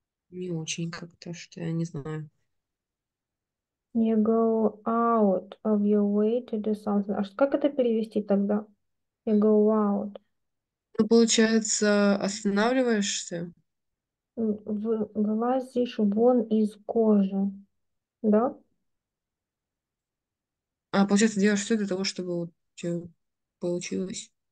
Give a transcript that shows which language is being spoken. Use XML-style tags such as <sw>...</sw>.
<ru>Не очень как-то, что я не знаю.</ru> <en>You go out of your way to do something.</en> <ru>А как это перевести тогда?</ru> <en>You go</en> <ru>Ну, получается, останавливаешься? out. Вылазишь вон из кожи. Да? А получается, делаешь все для того, чтобы вот получилось.</ru>